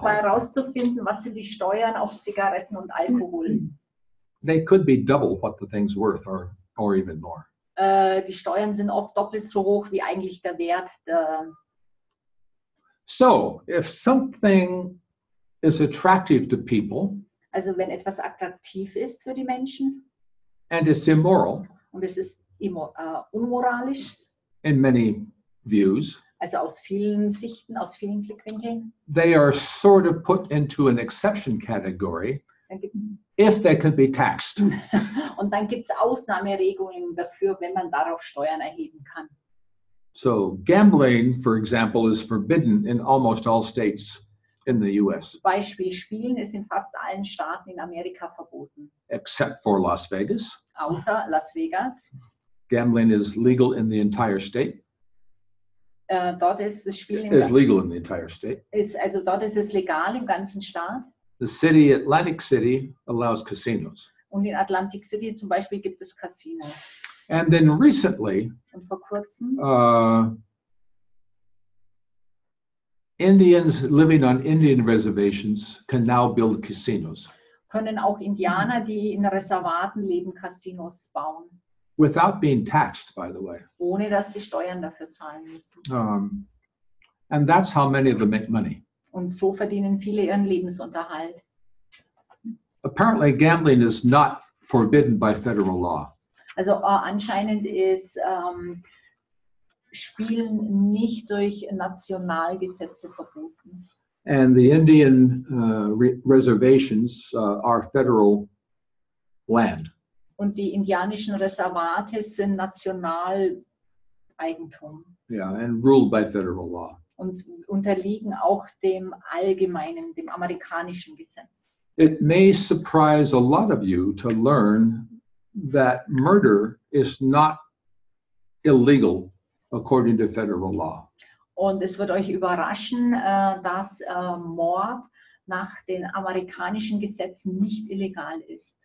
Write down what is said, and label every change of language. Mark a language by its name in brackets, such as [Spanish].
[German] Versuch mal herauszufinden, was sind die Steuern auf Zigaretten und Alkohol. [English] They could be double what the thing's worth or even more. [German] Die Steuern sind oft doppelt so hoch wie eigentlich der Wert der. [English] So, if something is attractive to people. [German] Also wenn etwas attraktiv ist für die Menschen. [English] And it's immoral. [German] Und es ist unmoralisch. [English] In many views. [German] also aus vielen Sichten, aus vielen Blickwinkeln. [English] They are sort of put into an exception category if they can be taxed. [German] Und dann gibt's Ausnahmeregelungen dafür, wenn man darauf Steuern erheben kann. [English] So gambling, for example, is forbidden in almost all states in the US. [German] Beispiel Spielen ist in fast allen Staaten in Amerika verboten. [English] Except for Las Vegas. [German] Außer Las Vegas. [English] Gambling is legal in the entire state. [German] Dort ist das Spielen [English] is legal in the entire state. [German] Ist, also dort ist es legal im ganzen Staat. [English] The city, Atlantic City, allows casinos. [German] Und in Atlantic City zum Beispiel gibt es Casinos. [English] And then recently, [German] und vor kurzem, [English] Indians living on Indian reservations can now build casinos. [German] Können auch Indianer, die in Reservaten leben, Casinos bauen. [English] Without being taxed, by the way. [German] Ohne dass sie Steuern dafür zahlen müssen. [English] And that's how many of them make money. [German] Und so verdienen viele ihren Lebensunterhalt. [English] Apparently gambling is not forbidden by federal law. [German] Also anscheinend ist Spielen nicht durch Nationalgesetze verboten. [English] And the Indian reservations are federal land. [German] Und die indianischen Reservate sind Nationaleigentum. [English] Yeah, and ruled by federal law. [German] Und unterliegen auch dem allgemeinen, dem amerikanischen Gesetz. [English] It may surprise a lot of you to learn that murder is not illegal according to federal law. [German] Und es wird euch überraschen, dass Mord nach den amerikanischen Gesetzen nicht illegal ist.